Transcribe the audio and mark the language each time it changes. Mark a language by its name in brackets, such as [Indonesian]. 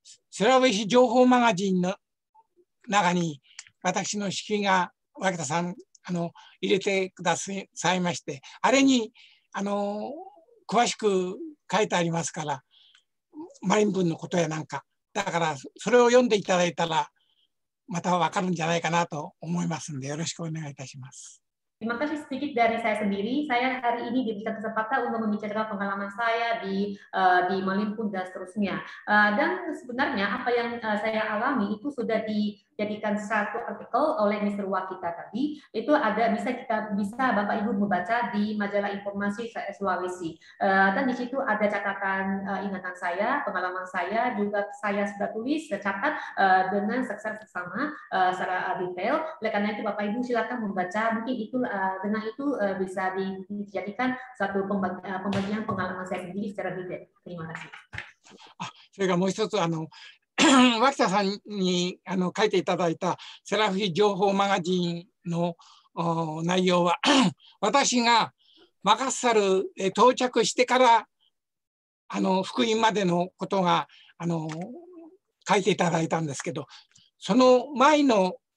[Japanese] セラウェシ情報マガジンの中に私の式が脇田さん入れてくださいまして、あれに詳しく書いてありますから、マリン文のことやなんかだから、それを読んでいただいたらまたわかるんじゃないかなと思いますので、よろしくお願いいたします。 [Indonesian] Terima kasih sedikit dari saya sendiri. Saya hari ini diberikan kesempatan untuk membicarakan pengalaman saya di Malimpun dan seterusnya. Dan sebenarnya apa yang saya alami itu sudah dijadikan satu artikel oleh Mr. Wakita tadi. Itu ada bisa Bapak Ibu membaca di majalah informasi Sulawesi. Dan di situ ada catatan ingatan saya, pengalaman saya, juga saya sudah tulis, catat dengan seksama secara detail. Oleh karena itu Bapak Ibu silakan membaca, mungkin itu dengan itu bisa dijadikan satu pembagian pengalaman saya sendiri secara detail. Terima kasih. [Japanese] Ah, それからもう一つ脇田さんに書いていただいたセラフィ情報マガジンの内容は私がマカッサルへ到着してから福音までのことが書いていただいたんですけど、その前の